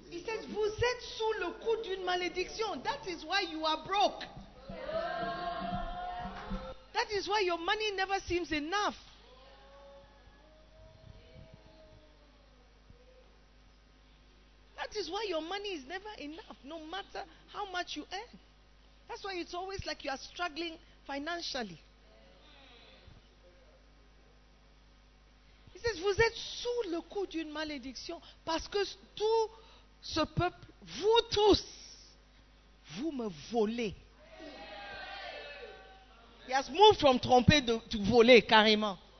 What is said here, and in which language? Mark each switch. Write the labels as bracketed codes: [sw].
[en] He says, [fr] vous êtes sous le coup d'une malédiction. [en] That is why you are broke. That is why your money never seems enough. That is why your money is never enough, no matter how much you earn. That's why it's always like you are struggling financially. [fr] vous êtes sous le coup d'une malédiction parce que tout ce peuple, vous tous, vous me volez. [en] He has moved from tromper to [fr] voler carrément.